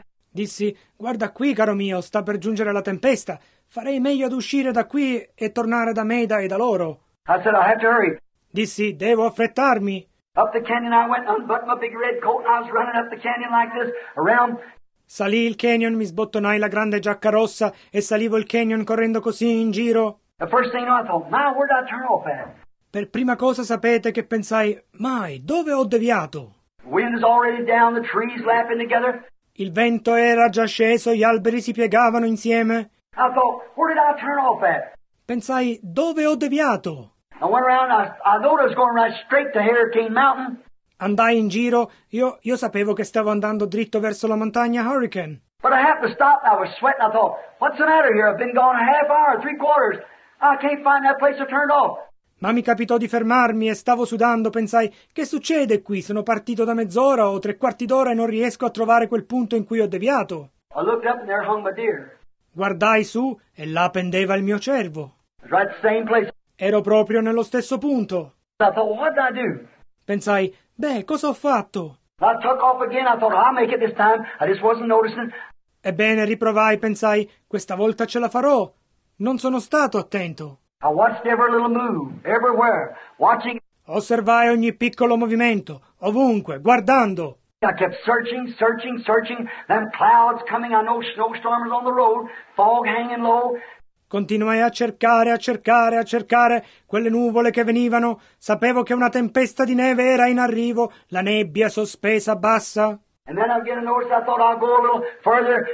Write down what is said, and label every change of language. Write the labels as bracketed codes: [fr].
[it] Dissi, guarda qui, caro mio, sta per giungere la tempesta, farei meglio ad uscire da qui e tornare da Maida e da loro. [en] I said, I have to hurry. [it] Dissi, devo affrettarmi. [en] Up the canyon I went, unbuttoned my big red coat, and I was running up the canyon like this, around. [it] Salì il canyon, mi sbottonai la grande giacca rossa, e salivo il canyon correndo così in giro. [en] The first thing I thought, my, where did I turn off at? [it] Per prima cosa sapete che pensai, mai, dove ho deviato? [en] Wind is already down, the trees lapping together. [it] Il vento era già sceso, gli alberi si piegavano insieme. [en] I thought, where did I turn off at? [it] Pensai, dove ho deviato? [en] I went around, I thought I was going right straight to Hurricane Mountain. [it] Andai in giro, io sapevo che stavo andando dritto verso la montagna Hurricane. [en] But I have to stop, I was sweating, I thought, what's the matter here? I've been gone a half hour, three quarters. I can't find that place I turned off. [it] Ma mi capitò di fermarmi e stavo sudando, pensai, che succede qui? Sono partito da mezz'ora o tre quarti d'ora e non riesco a trovare quel punto in cui ho deviato. [en] I looked up and there hung my deer. [it] Guardai su e là pendeva il mio cervo. [en] Right, same place. [it] Ero proprio nello stesso punto. [en] I thought, what did I do? [it] Pensai, beh, cosa ho fatto? [en] I took off again. I thought, I'll make it this time. I just wasn't noticing. [it] Ebbene, riprovai, pensai, questa volta ce la farò. Non sono stato attento. [en] I watched every little move, everywhere, watching. [it] Osservai ogni piccolo movimento, ovunque, guardando. [en] I kept searching. Them clouds coming, I know snowstorm is on the road, fog hanging low. [it] Continuai a cercare quelle nuvole che venivano. Sapevo che una tempesta di neve era in arrivo, la nebbia sospesa bassa. [en] And then I began to notice, I thought I'll go a little further.